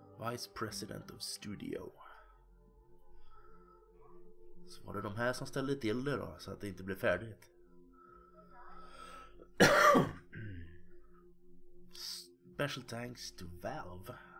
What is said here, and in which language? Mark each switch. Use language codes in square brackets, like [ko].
[en] Vice President of Studio. [sv] Så var det de här som ställde till det då, så att det inte blev färdigt. [en] Special thanks to Valve.